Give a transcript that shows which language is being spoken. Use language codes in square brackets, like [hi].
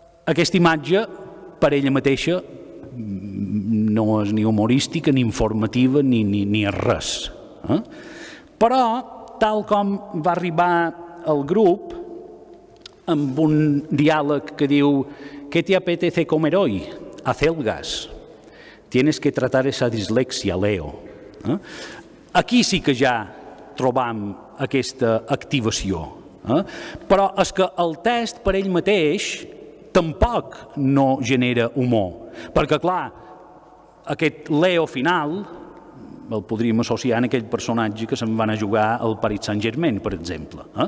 [ca] Aquesta imatge, per ella mateixa, no és ni humorística, ni informativa, ni res. Però, tal com va arribar el grup, amb un diàleg que diu: [es] "¿Qué te apetece comer hoy? Acelgas. Tienes que tratar esa dislexia, Leo". [ca] Aquí sí que ja trobam aquesta activació. Però és que el test per ell mateix tampoc no genera humor. Perquè, clar, aquest Leo final el podríem associar en aquell personatge que se'n van a jugar al Paris Saint-Germain, per exemple.